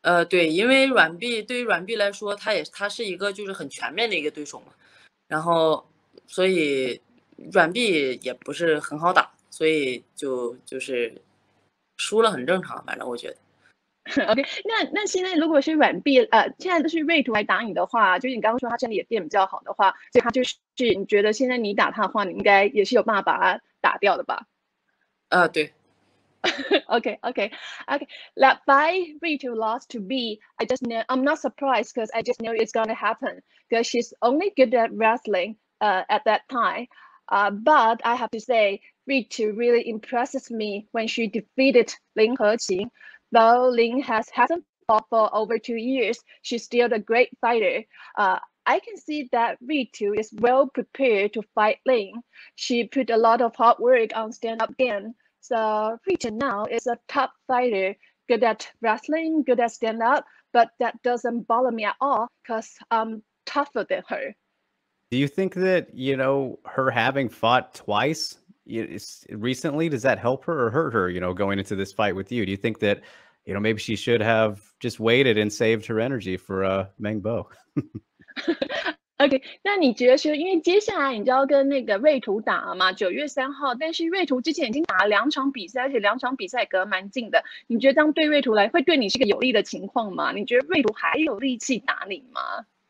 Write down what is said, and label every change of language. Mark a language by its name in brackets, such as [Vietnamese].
[Chinese] 对，因为软臂对于软臂来说他是一个就是很全面的一个对手嘛，然后所以软臂也不是很好打，所以就是输了很正常，反正我觉得。 OK, 那现在如果是软臂现在都是瑞图来打你的话，就是你刚刚说他身体也变比较好的话，所以他就是你觉得现在你打他的话，你应该也是有办法把他打掉的吧？对。 [English] OK. That fight Ritu lost to B, I'm not surprised because I just know it's gonna happen because she's only good at wrestling at that time. But I have to say, Ritu really impresses me when she defeated Lin Heqin. Though Lin hasn't fought for over 2 years, she's still a great fighter. I can see that Ritu is well prepared to fight Lin. She put a lot of hard work on stand-up game. So Ritu now is a top fighter, good at wrestling, good at stand-up, but that doesn't bother me at all because I'm tougher than her. Do you think that, you know, her having fought twice recently, does that help her or hurt her, you know, going into this fight with you? Do you think that, you know, maybe she should have just waited and saved her energy for Meng Bo? [Chinese] OK, 那你觉得是因为接下来你就要跟那个瑞图打了嘛 9月3号 但是瑞图之前已经打了两场比赛而且两场比赛隔蛮近的 你觉得这样对瑞图来会对你是个有利的情况吗 你觉得瑞图还有力气打你吗